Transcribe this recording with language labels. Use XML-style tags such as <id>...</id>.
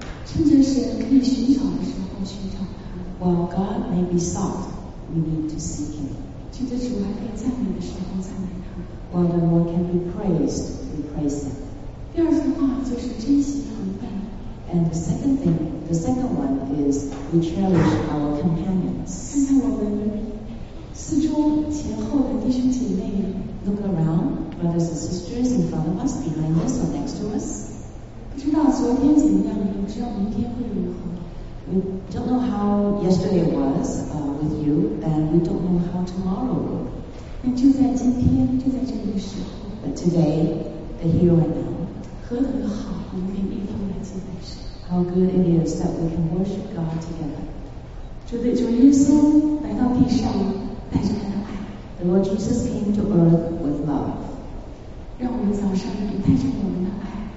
<zh>趁着神可以寻找的时候寻找他。</zh> <en>While God may be sought, we need to seek Him.</en> <zh>趁着主还可以赞美的时候赞美他。</zh> <en>While the Lord can be praised, we praise Him.</en> <zh>第二句话就是珍惜同伴。</zh> <en>And the second one is we cherish our companions.</en> <zh>看看我们四周前后的弟兄姐妹们。</zh> <en>Look around, brothers and sisters in front of us, behind us, or next to us.</en> <zh>不知道昨天怎么样，也不知道明天会如何。</zh> <en>We don't know how yesterday was with you, and we don't know how tomorrow will.</en> <zh>那就在今天，就在这个时候。</zh> <en>But today, the here and now.</en> <zh>何等的好，我们可以一同来敬拜神。</zh> <en>How good it is that we can worship God together.</en> <zh>主耶稣来到地上，带着他的爱。</zh> <en>The Lord Jesus came to earth with love.</en> <zh>让我们早上也带着我们的爱。</zh>